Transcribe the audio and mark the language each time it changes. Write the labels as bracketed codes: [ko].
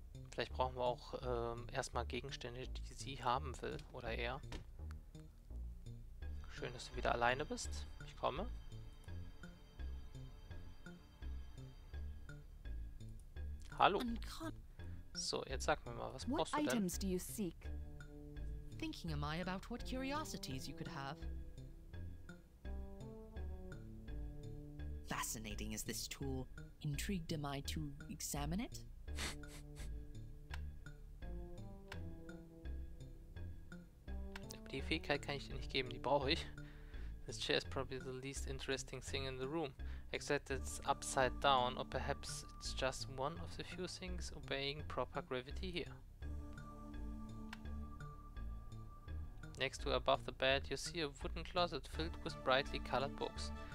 [de] Vielleicht brauchen wir auch erstmal Gegenstände, die sie haben will oder er. Schön, dass du wieder alleine bist. Ich komme. Hallo. So, jetzt sag mir mal, was brauchst du denn? [en] Do you seek? Thinking am I about what curiosities you could have. Fascinating is this tool. Intrigued am I to examine it? [de] Die Fähigkeit kann ich dir nicht geben, die brauche ich. [en] This chair is probably the least interesting thing in the room. Except it's upside down, or perhaps it's just one of the few things obeying proper gravity here. Next to above the bed, you see a wooden closet filled with brightly colored books.